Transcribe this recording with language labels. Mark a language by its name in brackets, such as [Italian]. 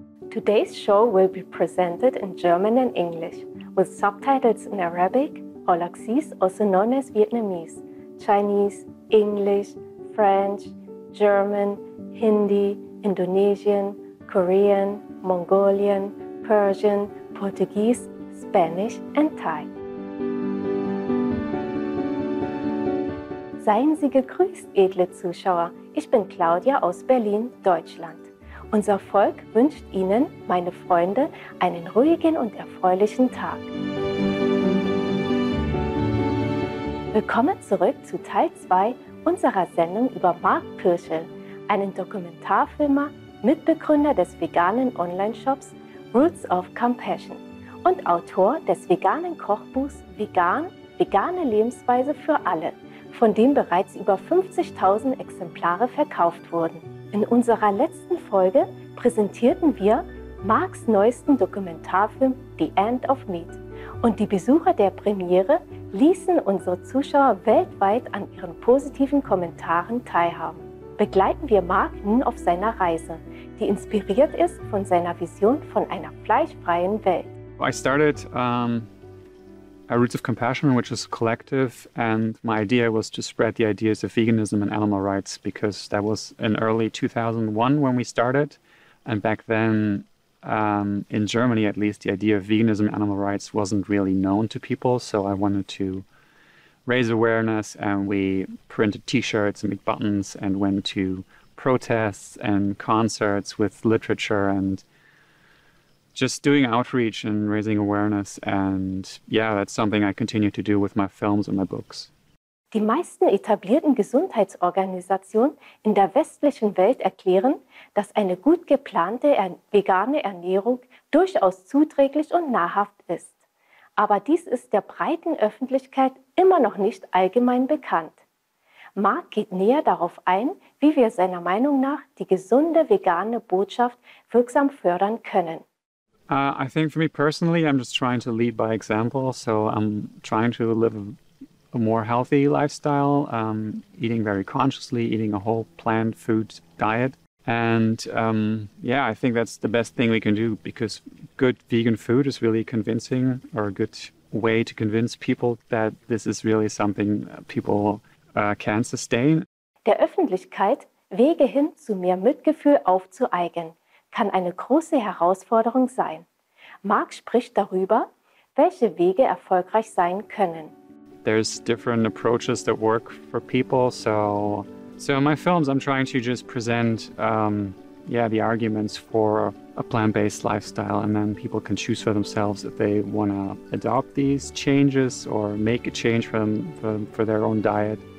[English] Today's show will be presented in German and English, with subtitles in Arabic, Oloxis, also known as Vietnamese, Chinese, English, French, German, Hindi, Indonesian, Korean, Mongolian, Persian, Portuguese, Spanish, and Thai. [German] Seien Sie gegrüßt, edle Zuschauer. Ich bin Claudia aus Berlin, Deutschland. Unser Volk wünscht Ihnen, meine Freunde, einen ruhigen und erfreulichen Tag. Willkommen zurück zu Teil 2 unserer Sendung über Mark Pierschel, einen Dokumentarfilmer, Mitbegründer des veganen Online-Shops Roots of Compassion und Autor des veganen Kochbuchs Vegan – Vegane Lebensweise für alle, von dem bereits über 50.000 Exemplare verkauft wurden. In unserer letzten Folge präsentierten wir Marks neuesten Dokumentarfilm The End of Meat. Und die Besucher der Premiere ließen unsere Zuschauer weltweit an ihren positiven Kommentaren teilhaben. Begleiten wir Mark nun auf seiner Reise, die inspiriert ist von seiner Vision von einer fleischfreien Welt. [English] I started Roots of Compassion, which is a collective, and my idea was to spread the ideas of veganism and animal rights, because that was in early 2001 when we started, and back then in Germany at least, the idea of veganism and animal rights wasn't really known to people, so I wanted to raise awareness, and we printed t-shirts and made buttons and went to protests and concerts with literature and just doing outreach and raising awareness, and yeah, that's something I continue to do with my films and my books. [German] Die meisten etablierten Gesundheitsorganisationen in der westlichen Welt erklären, dass eine gut geplante vegane Ernährung durchaus zuträglich und nahrhaft ist. Aber dies ist der breiten Öffentlichkeit immer noch nicht allgemein bekannt. Mark geht näher darauf ein, wie wir seiner Meinung nach die gesunde vegane Botschaft wirksam fördern können. [English] I think for me personally, I'm just trying to lead by example. So I'm trying to live a more healthy lifestyle, eating very consciously, eating a whole plant food diet. And yeah, I think that's the best thing we can do, because good vegan food is really convincing, or a good way to convince people that this is really something people can sustain. [German] Der Öffentlichkeit Wege hin zu mehr Mitgefühl aufzueigen, kann eine große Herausforderung sein. Mark spricht darüber, welche Wege erfolgreich sein können. [English] There's different approaches that work for people. So in my films, I'm trying to just present the arguments for a plant-based lifestyle, and then people can choose for themselves if they want to adopt these changes or make a change for their own diet.